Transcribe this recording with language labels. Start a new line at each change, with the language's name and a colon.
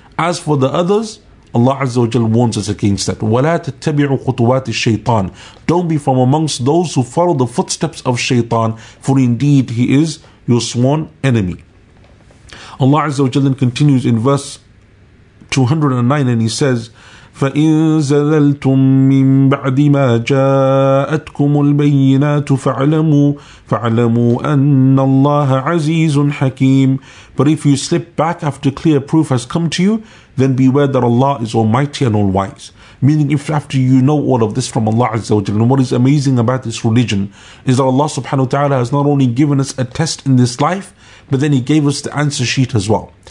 English: As for the others, Allah Azza wa Jal warns us against that.
Arabic: وَلَا تَتَّبِعُوا خُطُوَاتِ الشَّيْطَانِ
English: Don't be from amongst those who follow the footsteps of shaitan, for indeed he is your sworn enemy. Allah Azza wa Jal then continues in verse 209, and he says,
Arabic: فإن زللتم من بعد ما جاءتكم البينات فاعلموا أن الله عزيز حكيم.
English: But if you slip back after clear proof has come to you, then beware that Allah is almighty and all wise. Meaning, if after you know all of this from Allah Azza wa Jalla, and what is amazing about this religion is that Allah subhanahu wa ta'ala has not only given us a test in this life, but then He gave us the answer sheet as well.